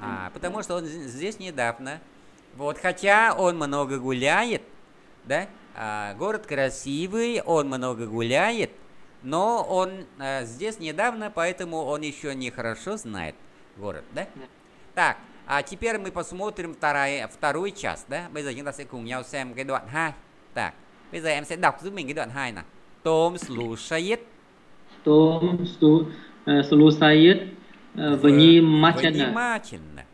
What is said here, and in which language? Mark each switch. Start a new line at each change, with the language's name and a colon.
Russian: А, потому что он здесь недавно. Вот, хотя он много гуляет, да? А, город красивый, он много гуляет. Но он здесь недавно, поэтому он еще не хорошо знает город, да? Так, а теперь мы посмотрим вторую часть, да?
Vietnamese: Bây giờ chúng ta sẽ cùng nhau xem cái đoạn 2. Так, bây giờ em sẽ đọc giúp mình cái đoạn 2 nào.
Russian: Том слушает. Том слушает внимательно.